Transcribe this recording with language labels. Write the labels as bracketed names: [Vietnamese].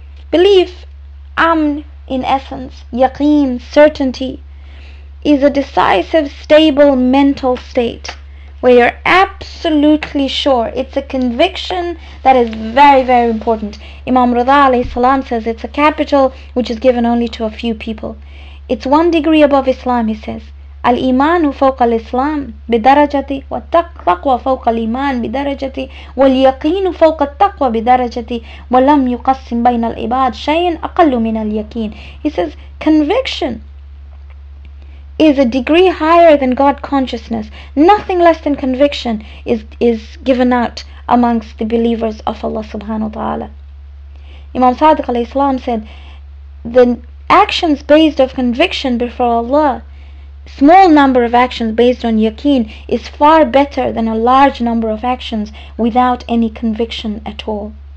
[English] Belief, amn in essence, yaqeen, certainty, is a decisive, stable mental state where you're absolutely sure. It's a conviction that is very, very important. Imam Ridha alayhi salam says it's a capital which is given only to a few people. It's one degree above Islam, he says. [Arabic] الإيمان فوق الإسلام بدرجتي والتقوى فوق الإيمان بدرجتي واليقين فوق التقوى بدرجتي ولم يقسم بين العباد شيئا أقل من اليقين. [English] He says conviction is a degree higher than God consciousness. Nothing less than conviction is given out amongst the believers of Allah subhanahu wa ta'ala. Imam Sadiq alayhi salam said the actions based of conviction before Allah, small number of actions based on yaqeen, is far better than a large number of actions without any conviction at all.